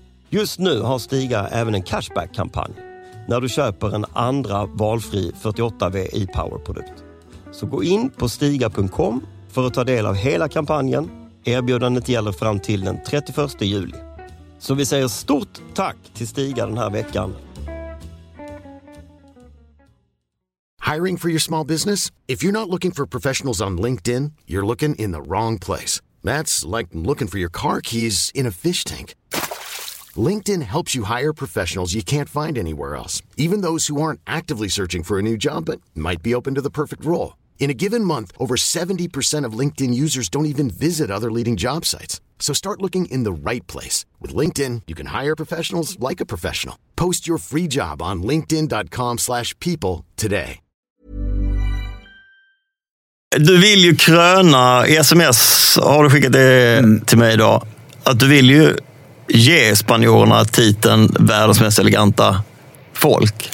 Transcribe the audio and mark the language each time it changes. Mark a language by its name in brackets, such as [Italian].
[Swedish] Just nu har Stiga även en cashback-kampanj när du köper en andra valfri 48V e-power-produkt. Så gå in på stiga.com för att ta del av hela kampanjen. Erbjudandet gäller fram till den 31 juli. Så vi säger stort tack till Stiga den här veckan. [English] Hiring for your small business? If you're not looking for professionals on LinkedIn, you're looking in the wrong place. That's like looking for your car keys in a fish tank. LinkedIn helps you hire professionals you can't find anywhere else, even those who aren't actively searching for a new job but might be open to the perfect role. In a given month, over 70% of LinkedIn users don't even visit other leading job sites. So start looking in the right place. With LinkedIn, you can hire professionals like a professional. Post your free job on linkedin.com/people today. [Swedish] Du vill ju kröna, i sms har du skickat det till mig idag, att du vill ju ge spanjorerna titeln världens mest eleganta folk.